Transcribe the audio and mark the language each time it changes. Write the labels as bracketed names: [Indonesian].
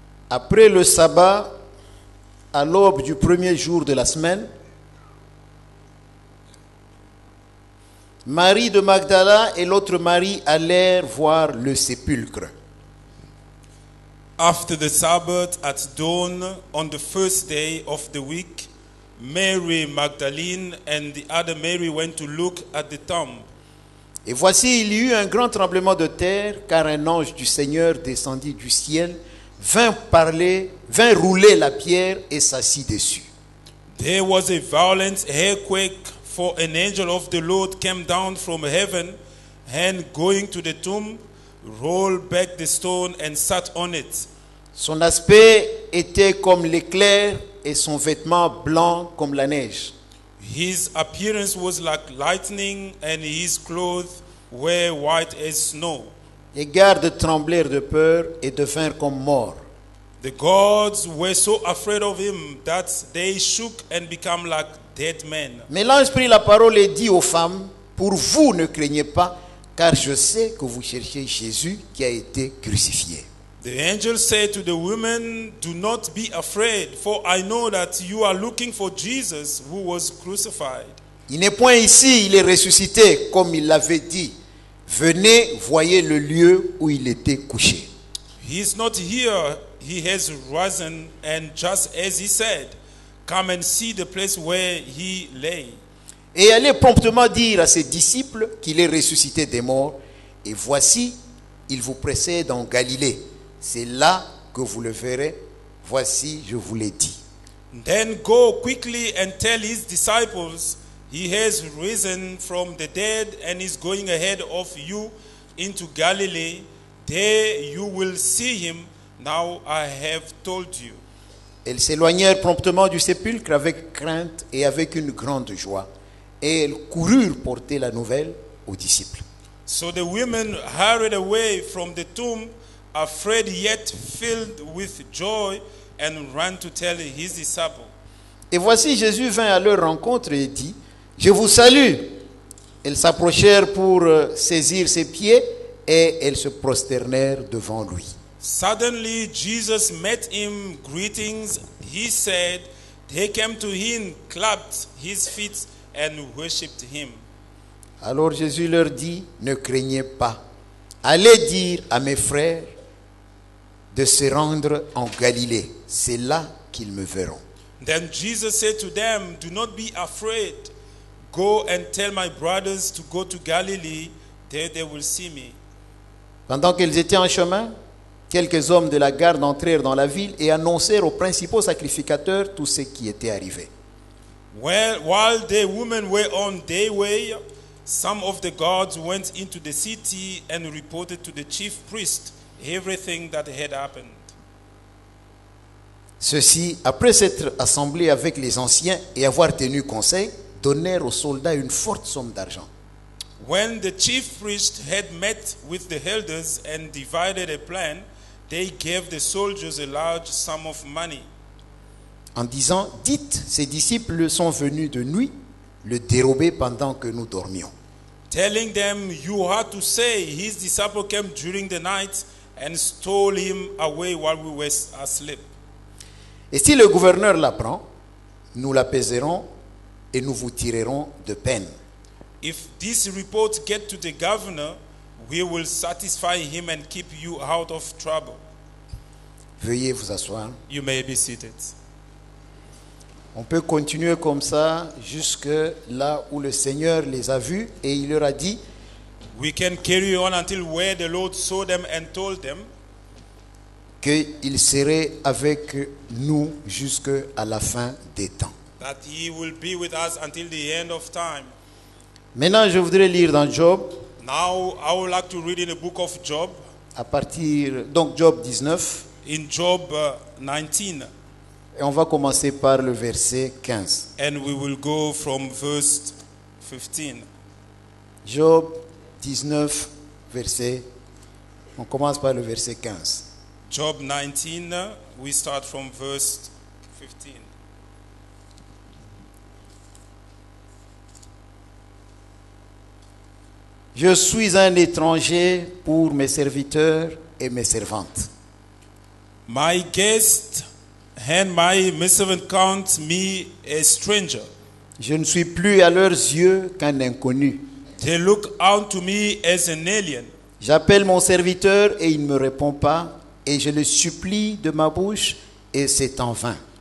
[French] Après le sabbat, à l'aube du premier jour de la semaine, Marie de Magdala et l'autre Marie allèrent voir le sépulcre. [English] After the Sabbath at dawn on the first day of the week, Mary Magdalene and the other Mary went to look at the tomb. [French] Et voici, il y eut un grand tremblement de terre, car un ange du Seigneur descendit du ciel, vint rouler la pierre et s'assit dessus. [English] There was a violent earthquake, for an angel of the Lord came down from heaven and going to the tomb, rolled back the stone and sat on it. [French] Son aspect était comme l'éclair et son vêtement blanc comme la neige. [English] His appearance was like lightning and his clothes were white as snow. [French] Les gardes tremblèrent de peur et devinrent comme morts. [English] The guards were so afraid of him that they shook and became like dead men. [French] Mais l'ange prit la parole et dit aux femmes, pour vous ne craignez pas, car je sais que vous cherchez Jésus qui a été crucifié. [English] The angel said to the women, do not be afraid, for I know that you are looking for Jesus who was crucified. [French] Il n'est point ici, il est ressuscité, comme il l'avait dit. Venez, voyez le lieu où il était couché. [English] He is not here, he has risen, and just as he said, come and see the place where he lay. [French] Et allez promptement dire à ses disciples qu'il est ressuscité des morts, et voici, il vous précède en Galilée. C'est là que vous le verrez. Voici, je vous l'ai dit. [English] Then go quickly and tell his disciples, he has risen from the dead and is going ahead of you into Galilee. There you will see him. Now I have told you. [French] Elles s'éloignèrent promptement du sépulcre avec crainte et avec une grande joie. Et elles coururent porter la nouvelle aux disciples. [English] So the women hurried away from the tomb, afraid yet filled with joy, and ran to tell his disciples. [French] Et voici, Jésus vint à leur rencontre et dit, je vous salue. Elles s'approchèrent pour saisir ses pieds et elles se prosternèrent devant lui. [English] Suddenly Jesus met him greetings. He said, they came to him, clapped his feet and worshipped him. [French] Alors Jésus leur dit, ne craignez pas. Allez dire à mes frères de se rendre en Galilée. C'est là qu'ils me verront. [English] Then Jesus said to them, do not be afraid. Go and tell my brothers to go to Galilee. There they will see me. [French] Pendant qu'ils étaient en chemin, quelques hommes de la garde entrèrent dans la ville et annoncèrent aux principaux sacrificateurs tout ce qui était arrivé. [English] While the women were on their way, some of the guards went into the city and reported to the chief priest everything that had happened. [French] Ceux-ci, après s'être assemblés avec les anciens et avoir tenu conseil, donnèrent aux soldats une forte somme d'argent. [English] When the chief priest had met with the elders and divided a plan, they gave the soldiers a large sum of money. [French] En disant, dites, ces disciples sont venus de nuit le dérober pendant que nous dormions. [English] Telling them, you had to say, his disciples came during the night and stole him away while we were asleep. [French] Et si le gouverneur l'apprend, nous l'apaiserons et nous vous tirerons de peine. [English] If this report gets to the governor, we will satisfy him and keep you out of trouble. [French] Veuillez vous asseoir. [English] You may be seated. [French] On peut continuer comme ça jusque là où le Seigneur les a vus et il leur a dit. [English] We can carry on until where the Lord saw them and told them [French] qu'il serait avec nous jusque à la fin des temps. [English] That he will be with us until the end of time. [French] Maintenant, je voudrais lire dans Job. [English] Now I would like to read in the book of Job. [French] À partir donc Job 19. [English] In Job 19. [French] Et on va commencer par le verset 15. [English] And we will go from verse 15. [French] Job 19, verset. On commence par le verset 15. [English] Job 19, we start from verse 15. [French] Je suis un étranger pour mes serviteurs et mes servantes. [English] My guest and my servant count me a stranger. [French] Je ne suis plus à leurs yeux qu'un inconnu. [English] They look on to me as an alien. [French] J'appelle mon serviteur et il ne me répond pas, et je le supplie de ma bouche et c'est en vain.